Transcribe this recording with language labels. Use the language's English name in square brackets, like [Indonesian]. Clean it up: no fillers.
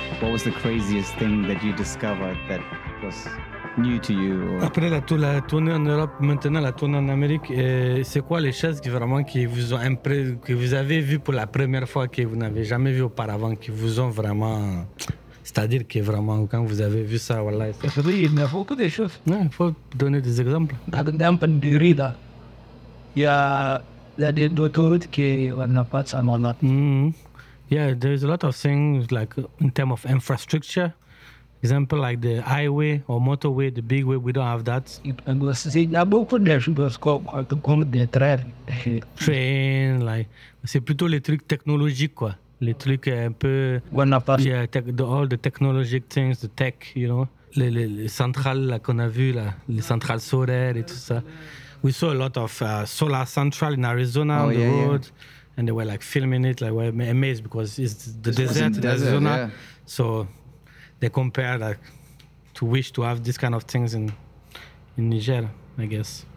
[English] What was the craziest thing that you discovered that was new to you? Or... [French] Après la tournée en Europe, maintenant la tournée en Amérique, c'est quoi les choses que vous avez vues pour la première fois que vous n'avez jamais vues auparavant, qui vous ont vraiment... C'est-à-dire que vraiment, quand vous avez vu ça, voilà. Oui, il y a beaucoup de choses. Il faut donner des exemples. Par exemple, du rida. Il y a des autoroutes qu'on n'a pas de [English] Yeah, there's a lot of things like in terms of infrastructure, example, like the highway or motorway, the big way, we don't have that. [French] Train, like, c'est plutôt les trucs technologiques, quoi. Les trucs un peu, [English] all the technologic things, the tech, you know. [French] Les centrales là, qu'on a vu là, les centrales solaires et tout ça. [English] We saw a lot of solar central in Arizona on the road. Yeah. And they were like filming it, like were amazed because it's the desert in Arizona. Yeah. So they compared like, to wish to have this kind of things in Niger, I guess.